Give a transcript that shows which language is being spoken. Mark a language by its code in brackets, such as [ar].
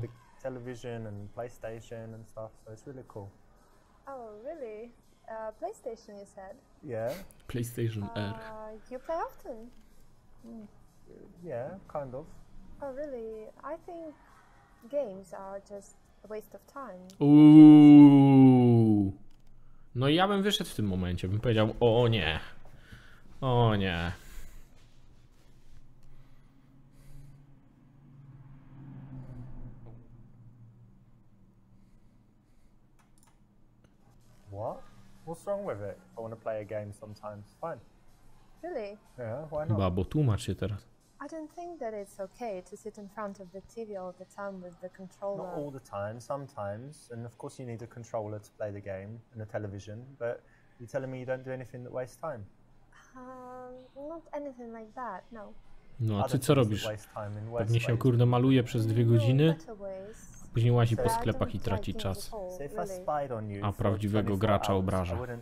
[en] Big television and PlayStation and stuff, so it's really cool. Oh, really? PlayStation, you said? Yeah. PlayStation R. You play often? Yeah, kind of. Oh, really? I think games are just a waste of time. Ooh. [pl] No i ja bym wyszedł w tym momencie, bym powiedział, o nie. [en] What? What's wrong with it? I want to play a game sometimes. Fine. Really? Yeah, why not? [pl] Chyba, bo tłumacz się teraz. [en] I don't think that it's okay to sit in front of the TV all the time with the controller. Not all the time, sometimes. And of course you need a controller to play the game and a television, but you're telling me you don't do anything that wastes time? Not anything like that, no. [pl] No, a ty co robisz? Pewnie się kurde maluje przez dwie godziny. Później łazi po sklepach i traci czas. A prawdziwego gracza obraża.